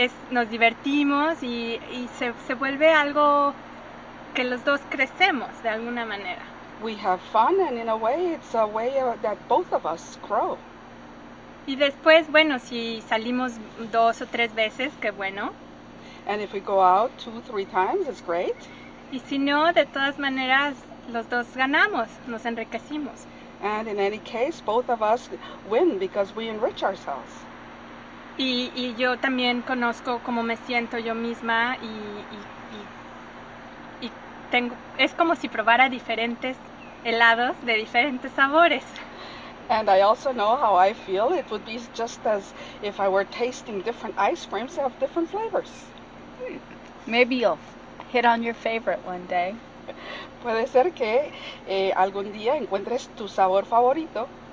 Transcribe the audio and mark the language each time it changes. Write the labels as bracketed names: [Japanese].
[Spanish] Nos divertimos y se vuelve algo que los dos crecemos de alguna manera. [English] We have fun and in a way it's a way that both of us grow. [Spanish] Y después, bueno, si salimos dos o tres veces, qué bueno. [English] And if we go out 2-3 times, it's great. [Spanish] Y si no, de todas maneras, los dos ganamos, nos enriquecimos. [English] And in any case, both of us win because we enrich ourselves. [Spanish] Y yo también conozco cómo me siento yo misma y tengo, es como si probara diferentes helados de diferentes sabores. [English] And I also know how I feel. It would be just as if I were tasting different ice creams of different flavors. Maybe you'll hit on your favorite one day. [Spanish] Puede ser que algún día encuentres tu sabor favorito.